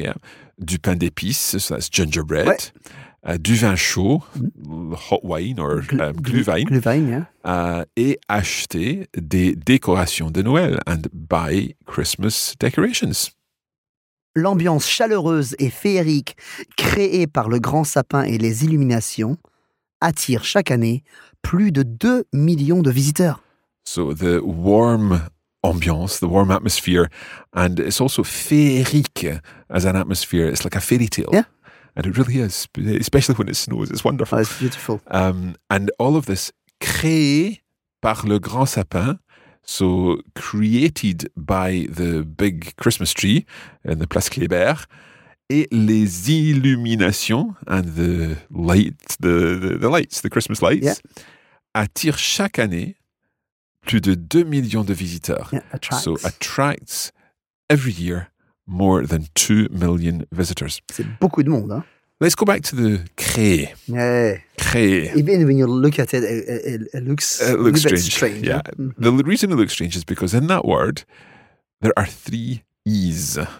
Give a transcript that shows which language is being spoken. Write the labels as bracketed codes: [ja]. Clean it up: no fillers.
[en] yeah, [fr] du pain d'épices, [en] so that's gingerbread, [fr] du vin chaud, [en] hot wine or glühwein, [fr] et acheter des décorations de Noël [en] and buy Christmas decorations. [fr] L'ambiance chaleureuse et féerique créée par le grand sapin et les illuminations attire chaque année plus de 2 millions de visiteurs. [en] So the warm ambiance, the warm atmosphere, and it's also féerique as an atmosphere. It's like a fairy tale. Yeah. And it really is, especially when it snows. It's wonderful. Oh, it's beautiful. And all of this [fr] créé par le grand sapin, [en] so created by the big Christmas tree in the Place Kléber, [fr] et les illuminations [en] and the light, the lights, the Christmas lights, yeah, [fr] attire chaque année plus de 2 millions de visiteurs. [en] Yeah, attracts. So attracts every year more than 2 million visitors. [fr] C'est beaucoup de monde, hein? [en] Let's go back to the créé. Yeah. Créé. Even when you look at it, it looks strange. Yeah. The reason it looks strange is because in that word, there are three E's.